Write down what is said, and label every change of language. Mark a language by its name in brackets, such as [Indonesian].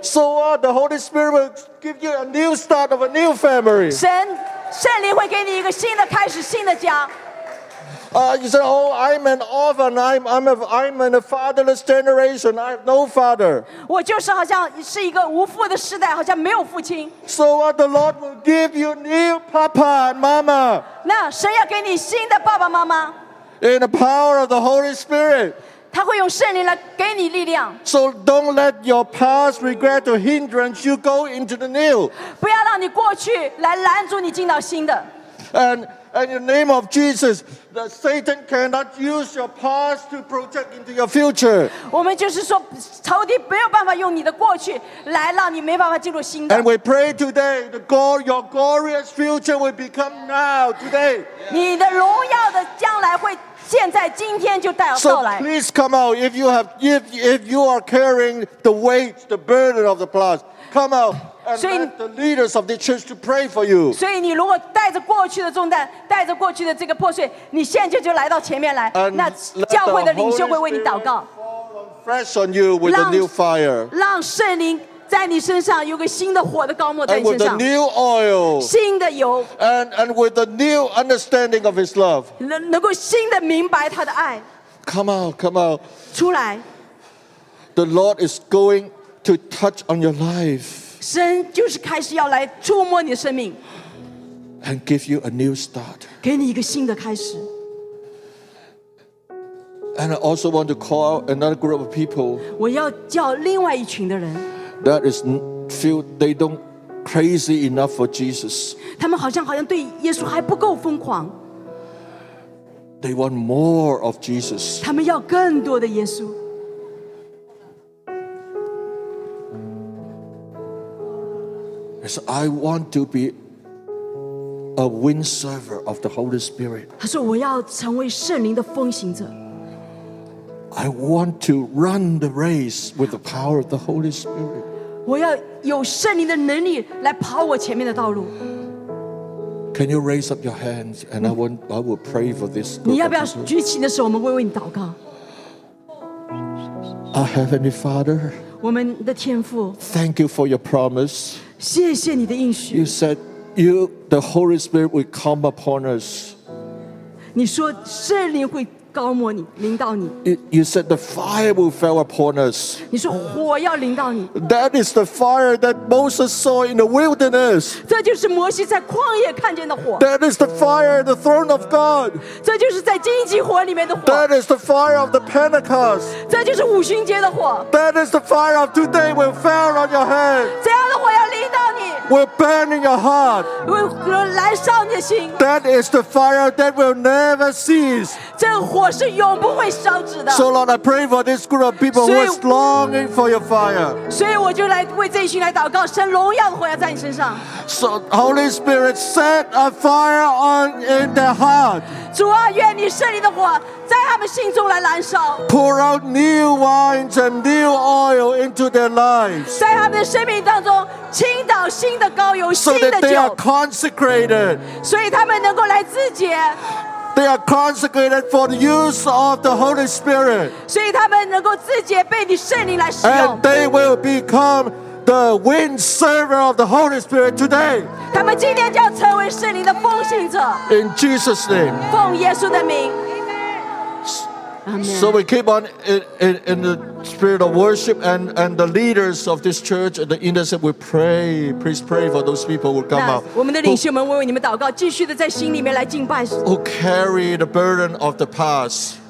[English] So what? The Holy Spirit will give you a new start of a new family. [Chinese] 圣灵会给你一个新的开始，新的家。 [English] You say, oh, I'm an orphan. I'm in a fatherless generation. I have no father. [Chinese] 我就是好像是一个无父的时代，好像没有父亲。 [English] So the Lord will give you new papa and mama. [Chinese] 那神要给你新的爸爸妈妈。 [English] In the power of the Holy Spirit. [Chinese] 他会用圣灵来给你力量。 [English] So don't let your past regret or hindrance you go into the new. [Chinese] 不要让你过去来拦住你进到新的。 [English] And in the name of Jesus, that Satan cannot use your past to project into your future. [Chinese] 我们就是说，仇敌没有办法用你的过去来让你没办法进入新的。 [English] And we pray today, your glorious future will become now today. [Chinese] 你的荣耀的将来会现在今天就到来。 [English] So please come out if you are carrying the weight, the burden of the past. Come out. And let the leaders of the church to pray for you. [Chinese] 所以你如果带着过去的重担，带着过去的这个破碎，你现在就来到前面来，那教会的领袖会为你祷告。 [English] Fresh on you with a new fire. [Chinese] 让圣灵在你身上有个新的火的高抹在你身上。 [English] And with the new oil. [Chinese] 新的油。 [English] And with the new understanding of His love. [Chinese] 能够新的明白他的爱。 [English] Come out, come out. [Chinese] 出来。 [English] The Lord is going to touch on your life. [Chinese] 神就是开始要来触摸你的生命 [English] and give you a new start. [Chinese] 给你一个新的开始。 [English] And I also want to call another group of people. [Chinese] 我要叫另外一群的人。 [English] That is feel they don't crazy enough for Jesus. [Chinese] 他们好像对耶稣还不够疯狂。 [English] They want more of Jesus. [Chinese] 他们要更多的耶稣。 [English] So I want to be a windsurfer of the Holy Spirit. [Chinese] 他说我要成为圣灵的风行者。 [English] I want to run the race with the power of the Holy Spirit. [Chinese] 我要有圣灵的能力来跑我前面的道路。 [English] Can you raise up your hands and I will pray for this [Chinese] group. 你要不要举起你的手，我们为你祷告。 [English] Our Heavenly Father. [Chinese] 我们的天父。 [English] Thank you for your promise. [Chinese] 谢谢你的应许。 [English] You said the Holy Spirit will come upon us. [Chinese] 你说圣灵会高抹你，临到你。 [English] You said the fire will fall upon us. [Chinese] 你说火要临到你。 [English] That is the fire that Moses saw in the wilderness. [Chinese] 这就是摩西在旷野看见的火。 [English] That is the fire, the throne of God. [Chinese] 这就是在荆棘火里面的火。 [English] That is the fire of the Pentecost. [Chinese] 这就是五旬节的火。 [English] That is the fire of today will fall on your head. [Chinese] 这样的火要临到你。 [English] Will burn in your heart. [Chinese] 会燃烧你的心。 [English] That is the fire that will never cease. [Chinese] 这火是永不会烧止的。 [English] So Lord, I pray for this group of people who is longing for your fire. [Chinese] 所以我就来为这一群来祷告，神荣耀的火要在你身上。 [English] So Holy Spirit, set a fire on in their heart. [Chinese] 主啊，愿你圣灵的火在他们心中来燃烧。 [English] Pour out new wines and new oil into their lives. [Chinese] 在他们的生命当中倾倒新的膏油，新的酒。 [English] So that they are consecrated. [Chinese] 所以他们能够来自洁。 [English] They are consecrated for the use of the Holy Spirit. [Chinese] 所以他们能够自洁，被你圣灵来使用。 [English] And they will become the wind server of the Holy Spirit today. [Chinese] 他们今天就要成为圣灵的风行者。 [English] In Jesus' name. [Chinese] 奉耶稣的名。 [English] So we keep on in the spirit of worship and the leaders of this church and the intercessors, we pray. Please pray for those people who come out. Who carry the burden of the past.